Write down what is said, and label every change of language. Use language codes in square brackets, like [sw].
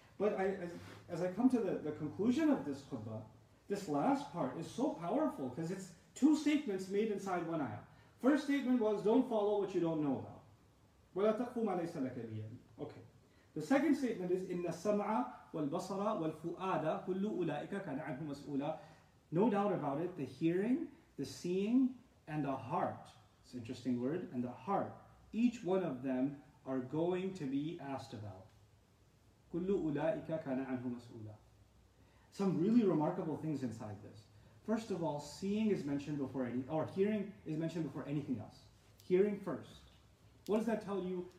[en] But as I come to the conclusion of this khutbah, this last part is so powerful because it's two statements made inside one ayah. First statement was, don't follow what you don't know about. [ar] وَلَا تَقْفُمَ عَلَيْسَ لَكَ بِيَنْ. Okay. [en] The second statement is, [ar] إِنَّ السَّمْعَ وَالْبَصَرَ وَالْفُؤَادَ كُلُّ أُولَٰئِكَ كَانَ عَنْهُ مَسْئُولَ. [en] No doubt about it, the hearing, the seeing, and the heart. It's an interesting word. And the heart, each one of them are going to be asked about. [ar] كُلُّ أُولَٰئِكَ كَانَ عَنْهُ مَسْئُولَ. [en] Some really remarkable things inside this. First of all, seeing is mentioned before any, or hearing is mentioned before anything else. Hearing first. What does that tell you?